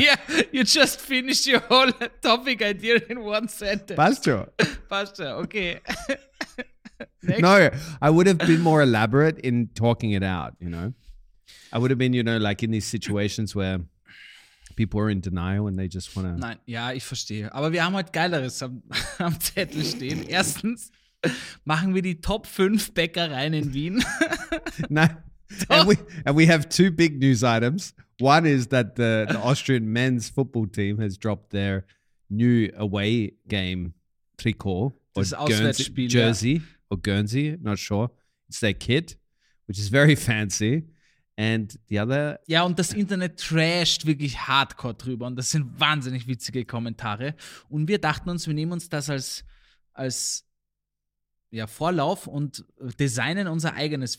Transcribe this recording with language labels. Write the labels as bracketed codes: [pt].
[en] Yeah, you just finished your whole topic idea in one sentence. Pastor. Pastor, okay. No, I would have been more elaborate in talking it out, you know. I would have been, you know, like in these situations where people are in denial and they just want to... [de] Nein, ja, ich verstehe. Aber wir haben heute Geileres am Zettel stehen. Erstens machen wir die Top 5 Bäckereien in Wien. Nein. [en] And we have two big news items. One is that the Austrian men's football team has dropped their new away game Trikot. [de] Das Auswärtsspiel. [en] Jersey or Guernsey, not sure. It's their kit, which is very fancy. And the other... [de] Ja, und das Internet trasht wirklich hardcore drüber. Und das sind wahnsinnig witzige Kommentare. Und wir dachten uns, wir nehmen uns das als ja, Vorlauf und designen unser eigenes.